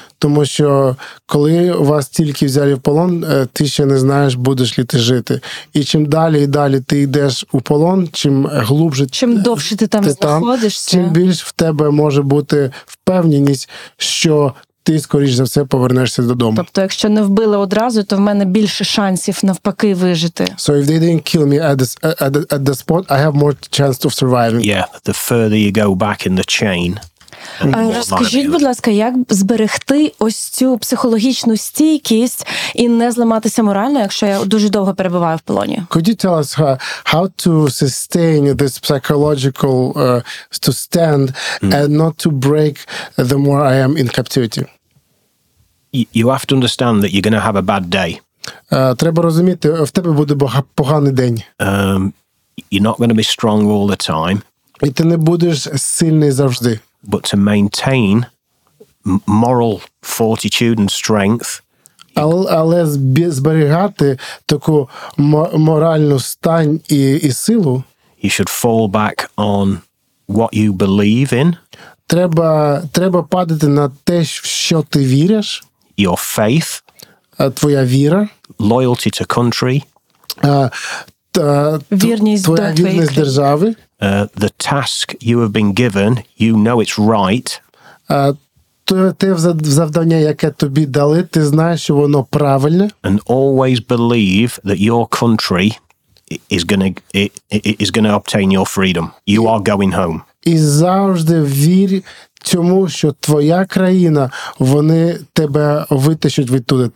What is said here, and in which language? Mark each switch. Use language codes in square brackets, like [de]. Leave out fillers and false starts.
[uk] Тому що коли вас тільки взяли в полон, ти ще не знаєш, будеш ли ти жити. І чим далі і далі ти йдеш у полон, чим глубже чим довше ти там знаходишся, чим більш в тебе може бути впевненість, що ти, скоріш за все, повернешся додому. Тобто, якщо не вбили одразу, то в мене більше шансів навпаки вижити. [en] So if they didn't kill me at the spot, I have more chance of surviving. Yeah, the further you go back in the chain. [uk] Розкажіть, будь ласка, як зберегти ось цю психологічну стійкість і не зламатися морально, якщо я дуже довго перебуваю в полоні? [en] Could you tell us how to sustain this psychological to stand and not to break the more I am in captivity? You have to understand that you're going to have a bad day. [uk] Треба розуміти, в тебе буде поганий день. [en] You're not going to be strong all the time. [uk] І ти не будеш сильний завжди. [en] But to maintain moral fortitude and strength. [uk] Але зберігати таку моральну стань і силу. [en] You should fall back on what you believe in. [uk] Треба падати на те, в що ти віриш. [en] Your faith. [uk] Твоя віра. [en] Loyalty to country. [uk] Твоя вірність держави. [en] The task you have been given, you know it's right. [uk] Те завдання, яке тобі дали, ти знаєш, що воно правильне. [en] And always believe that your country is going to obtain your freedom. You are going home. [uk] І завжди вір тому, що твоя країна, вони тебе витащать відтуди.